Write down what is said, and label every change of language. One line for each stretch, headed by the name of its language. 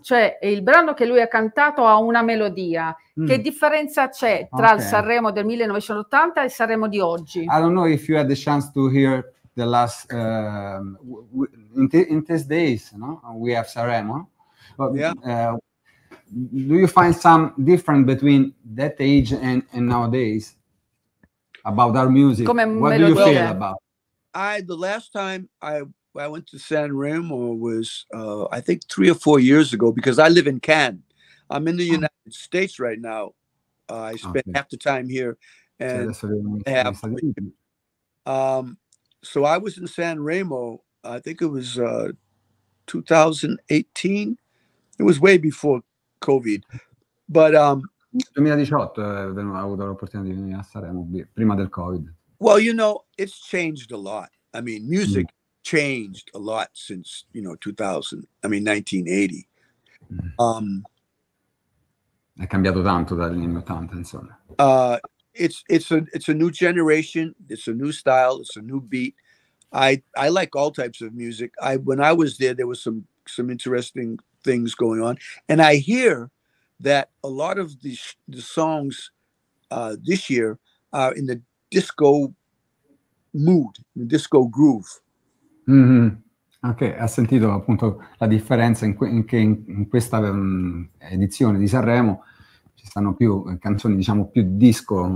Italian: Cioè, il brano che lui ha cantato ha una melodia. Che differenza c'è tra il Sanremo del 1980 e il Sanremo di oggi?
English: I don't know if you had the chance to hear the last... in these days, no? We have Sanremo. But, Do you find some difference between that age and nowadays? About our music.
Italian: Come
English: what
Italian: melodia.
English: Do you feel about? The last time I went to San Remo was I think 3 or 4 years ago, because I live in Cannes. I'm in the United States right now. I spent half the time here, and so I was in San Remo. I think it was 2018. It was way before COVID, but
Italian: 2018 I avuto l'opportunità di venire a Sanremo prima del COVID.
English: Well, you know, it's changed a lot. I mean, music changed a lot since, you know, 1980.
Italian: È cambiato tanto dagli anni 80, insomma.
English: It's a new generation, it's a new style, it's a new beat. I like all types of music. When I was there was some interesting things going on, and I hear that a lot of the songs this year are in the disco mood, the disco groove. Mm-hmm.
Italian: Ok, ha sentito appunto la differenza in questa edizione di Sanremo ci stanno più canzoni, diciamo, più disco.